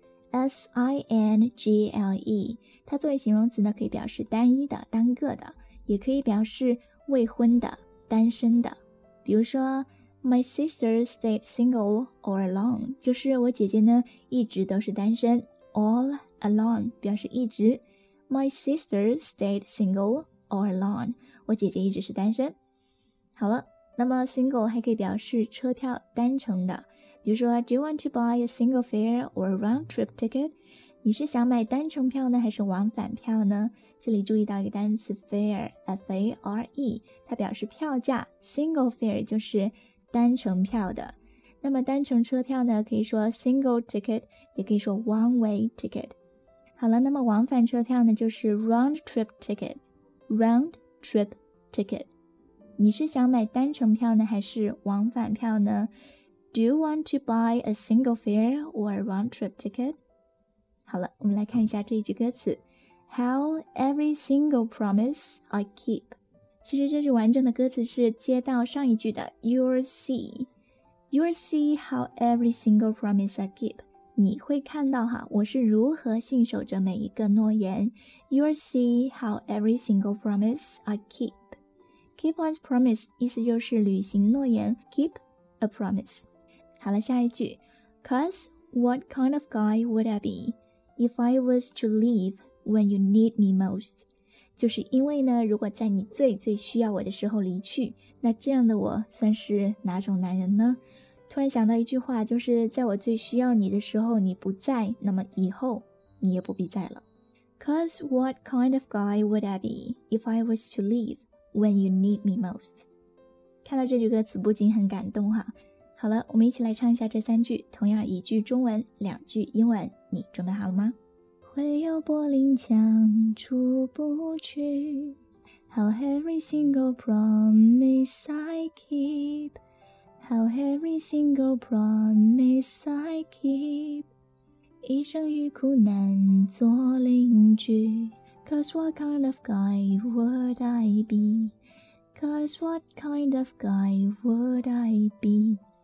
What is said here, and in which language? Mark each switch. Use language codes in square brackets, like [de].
[zh] S-I-N-G-L-E 它作为形容词呢可以表示单一的单个的，也可以表示未婚的单身的，比如说 [en] My sister stayed single all along, [zh] 就是我姐姐呢一直都是单身。 [en] All alone [zh] 表示一直。 [en] My sister stayed single all along, [zh] 我姐姐一直是单身。好了，那么 single 还可以表示车票单程的。比如说 [en] ,Do you want to buy a single fare or a round trip ticket? [zh] 你是想买单程票呢还是往返票呢？这里注意到一个单词 fare, F-A-R-E, 它表示票价。 Single fare 就是单程票的，那么单程车票呢可以说 single ticket 也可以说 one way ticket。好了，那么往返车票呢就是 round trip ticket， round trip ticket。你是想买单程票呢还是往返票呢？ [en] Do you want to buy a single fare or a round trip ticket？ [zh] 好了，我们来看一下这一句歌词。 [en] How every single promise I keep， [zh] 其实这句完整的歌词是接到上一句的 [en] You'll see how every single promise I keep [zh] 你会看到哈，我是如何信守着每一个诺言。 [en] You'll see how every single promise I keep Keep one's promise [zh] 意思就是履行诺言 [en] Keep a promise 好了，下一句 Cause what kind of guy would I be If I was to leave when you need me most [zh] 就是因为呢，如果在你最最需要我的时候离去，那这样的我算是哪种男人呢？突然想到一句话，就是在我最需要你的时候你不在，那么以后你也不必在了。 [en] Cause what kind of guy would I be if I was to leave when you need me most? [zh] 看到这句歌词不禁很感动哈。好了，我们一起来唱一下这三句，同样一句中文，两句英文，你准备好了吗？会有柏林墙出不去 [en] How every single promise I keep How every single promise I keep [zh] 一生与苦难做邻居 [en] Cause what kind of guy would I be Cause what kind of guy would I be